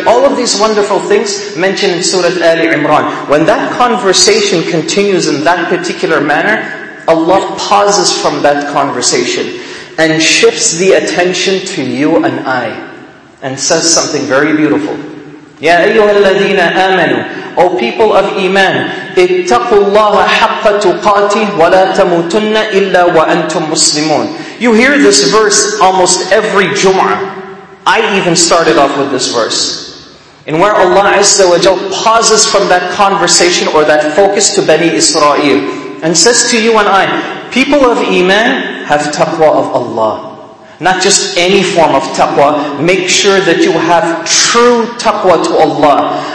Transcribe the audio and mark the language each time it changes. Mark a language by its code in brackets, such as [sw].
[en] All of these wonderful things mentioned in Surah Ali Imran. When that conversation continues in that particular manner, Allah pauses from that conversation and shifts the attention to you and I and says something very beautiful. [ar] يَا أَيُّهَا الَّذِينَ آمَنُوا [en] O people of Iman, [ar] اتَّقُوا اللَّهَ حَقَّ تُقَاتِهِ وَلَا تَمُوتُنَّ إِلَّا وَأَنْتُمْ مُسْلِمُونَ [en] You hear this verse almost every Jum'ah. I even started off with this verse. In where Allah Azza wa Jal pauses from that conversation or that focus to Bani Israel and says to you and I, people of Iman, have taqwa of Allah. Not just any form of taqwa. Make sure that you have true taqwa to Allah.